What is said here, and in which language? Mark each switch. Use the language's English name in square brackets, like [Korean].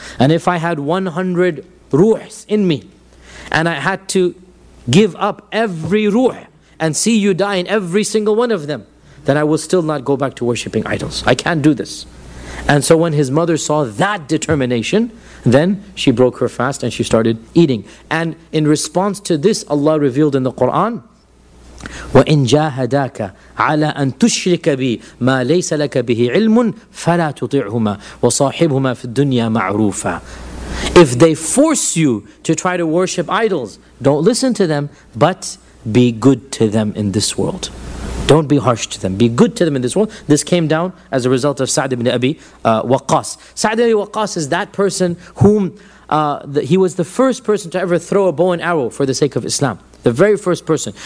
[English] And if I had 100 ruhs in me and I had to give up every ruh and see you die in every single one of them, then I will still not go back to worshipping idols. I can't do this. And so when his mother saw that determination, then she broke her fast and she started eating. And in response to this, Allah revealed in the Quran, [Arabic] وَإِن جَاهَدَاكَ عَلَىٰ أَن تُشْرِكَ بِي مَا لَيْسَ لَكَ بِهِ عِلْمٌ فَلَا تُطِعْهُمَا وَصَاحِبْهُمَا فِي الدُّنْيَا مَعْرُوفًا. [English] If they force you to try to worship idols, don't listen to them, but be good to them in this world. Don't be harsh to them. Be good to them in this world. This came down as a result of Sa'd ibn Abi Waqqas. Sa'd ibn Abi Waqqas is that person whom he was the first person to ever throw a bow and arrow for the sake of Islam. The very first person.